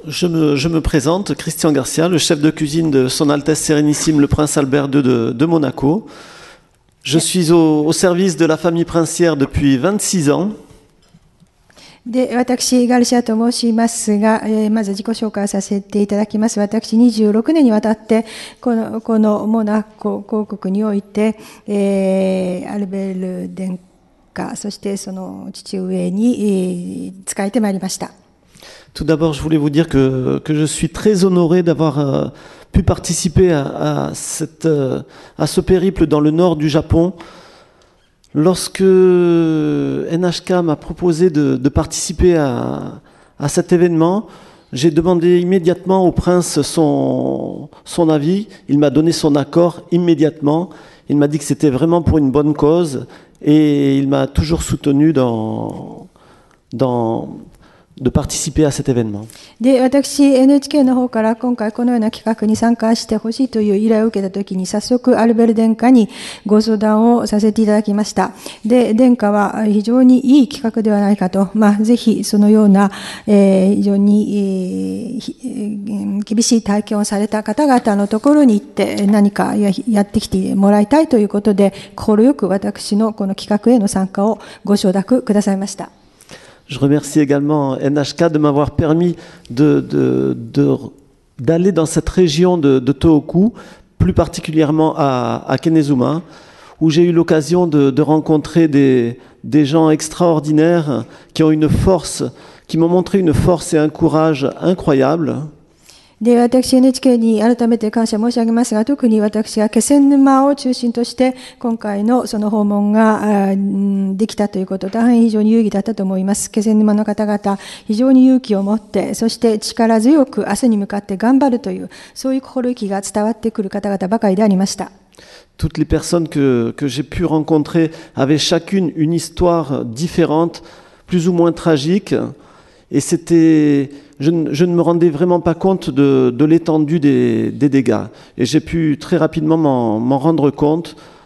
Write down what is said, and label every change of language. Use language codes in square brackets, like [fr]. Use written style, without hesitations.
[fr] Je me présente, Christian Garcia, le chef de cuisine de Son Altesse Sérénissime, le prince Albert II de Monaco. Je suis au service de la famille princière depuis 26 ans. [ja] で私ガルシアと申しますが、まず自己紹介させていただきます。私26年にわたってこのモナコ公国において、アルベール殿下そしてその父上に、仕えてまいりました。 [fr] Tout d'abord, je voulais vous dire que je suis très honoré d'avoir pu participer à ce périple dans le nord du Japon. Lorsque NHK m'a proposé de participer à cet événement, j'ai demandé immédiatement au prince son avis. Il m'a donné son accord immédiatement. Il m'a dit que c'était vraiment pour une bonne cause et il m'a toujours soutenu de participer à cet événement. [ja] で私 NHK の方から今回このような企画に参加してほしいという依頼を受けたときに早速アルベル殿下にご相談をさせていただきました。で殿下は非常にいい企画ではないかと、まあ、ぜひそのような、非常に、厳しい体験をされた方々のところに行って何か やってきてもらいたいということで快く私のこの企画への参加をご承諾くださいました。 [fr] Je remercie également NHK de m'avoir permis d'aller dans cette région de Tohoku, plus particulièrement à Kenezuma, où j'ai eu l'occasion de rencontrer des gens extraordinaires qui ont une force, qui m'ont montré une force et un courage incroyables. [ja] で私 NHK に改めて感謝申し上げますが、特に私が気仙沼を中心として今回のその訪問ができたということ、大変非常に有意義だったと思います。気仙沼の方々非常に勇気を持ってそして力強く明日に向かって頑張るというそういう心意気が伝わってくる方々ばかりでありました。 [fr] Toutes les personnes que j'ai pu rencontrer avaient chacune une histoire différente, plus ou moins tragique, et c'était je ne me rendais vraiment pas compte de l'étendue des dégâts. Et j'ai pu très rapidement m'en rendre compte.